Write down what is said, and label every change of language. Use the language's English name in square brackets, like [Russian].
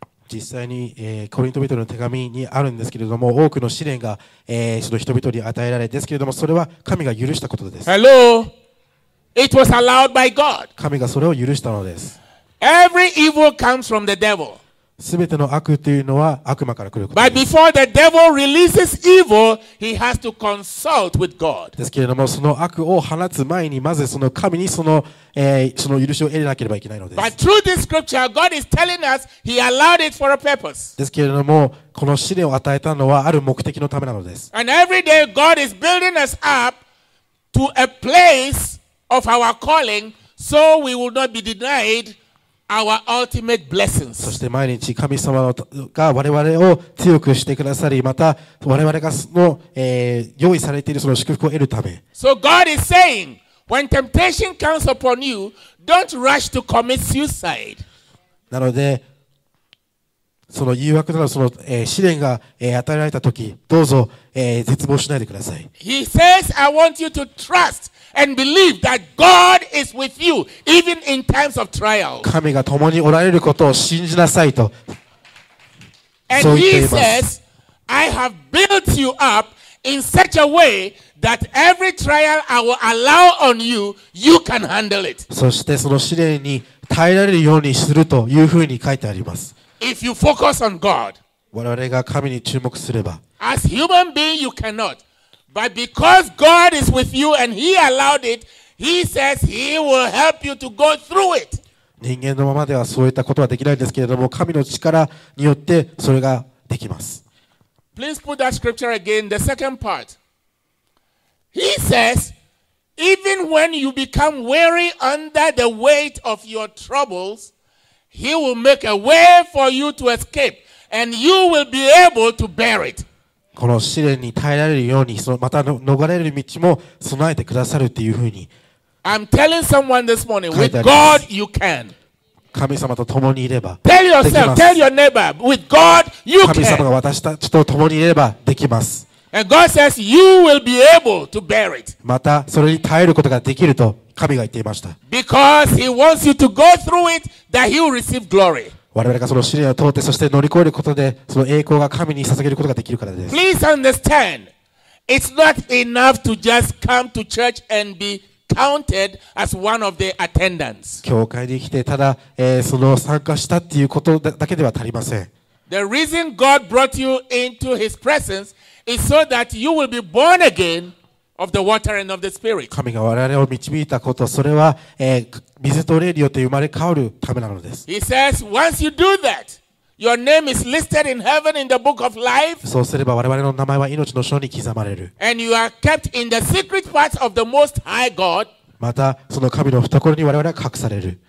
[Japanese] 実際に、コリント人の手紙にあるんですけれども、多くの試練が、その人々に与えられですけれども、それは神が許したことです。 [English] Hello? It was allowed by God. [Japanese] 神がそれを許したのです。 [English] Every evil comes from the devil. [Japanese] 全ての悪というのは悪魔から来ることです。 [English] But before the devil releases evil, he has to consult with God. [Japanese] ですけれども、その悪を放つ前に、まずその神にその、その許しを得れなければいけないのです。 [English] But through this scripture, God is telling us he allowed it for a purpose. [Japanese] ですけれども、この試練を与えたのはある目的のためなのです。 [English] And every day, God is building us up to a place of our calling so we will not be denied. Our ultimate blessings. [Japanese] そして毎日神様が我々を強くしてくださり、また我々がその、用意されているその祝福を得るため。 [English] So God is saying, when temptation comes upon you, don't rush to commit suicide. [Japanese] なので、その誘惑などその、試練が、与えられたとき、どうぞ、絶望しないでください。 [English] He says, I want you to trust. And believe that God is with you, even in times of trial. [Japanese] 神が共におられることを信じなさいと。 [English] And He says, I have built you up in such a way that every trial I will allow on you, you can handle it. [Japanese] そしてその試練に耐えられるようにするというふうに書いてあります。 [English] If you focus on God, [Japanese] 我々が神に注目すれば、 [English] as human being, you cannot. But because God is with you and He allowed it, He says He will help you to go through it. [Japanese] 人間のままではそういったことはできないんですけれども、神の力によってそれができます。 [English] Please put that scripture again, the second part. He says, even when you become weary under the weight of your troubles, He will make a way for you to escape and you will be able to bear it. [Japanese] この試練に耐えられるようにそのまた逃れる道も備えてくださるというふうに [English] I'm telling someone this morning, with God you can. [Japanese] 神様と共にいればできます。 [English] Tell yourself, tell your neighbor, with God you can. [Japanese] 神様が私たちと共にいればできます。 [English] And God says you will be able to bear it. [Japanese] またそれに耐えることができると神が言っていました。 [English] Because he wants you to go through it that he will receive glory. [Japanese] 我々がその試練を通ってそして乗り越えることでその栄光が神に捧げることができるからです。 [English] Please understand, it's not enough to just come to church and be counted as one of the attendants. [Japanese] 教会に来てただ、その参加したっていうことだけでは足りません。 [English] The reason God brought you into His presence is so that you will be born again of the water and of the Spirit. [Japanese] 神が我々を導いたことそれは、水と霊によって生まれ変わるためなのです。 [English] He says, once you do that, your name is listed in heaven in the book of life. [Japanese] そうすれば我々の名前は命の書に刻まれる。 [English] And you are kept in the secret parts of the Most High God. [Japanese] またその神の懐に我々は隠される。